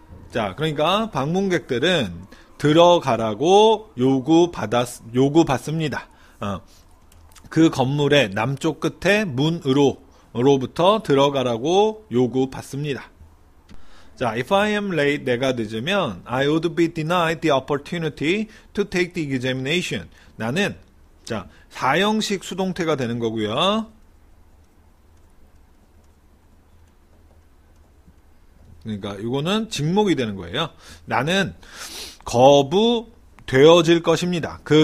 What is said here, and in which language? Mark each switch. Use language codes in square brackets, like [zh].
[ko] 자, 그러니까 방문객들은 들어가라고 요구받습니다. 그 건물의 남쪽 끝에 문으로부터 들어가라고 요구받습니다. [en] 자, if I am late, [ko] 내가 늦으면 [en] I would be denied the opportunity to take the examination. [ko] 나는, 자, 사형식 수동태가 되는 거고요. 그러니까 이거는 직목이 되는 거예요. 나는 거부되어질 것입니다.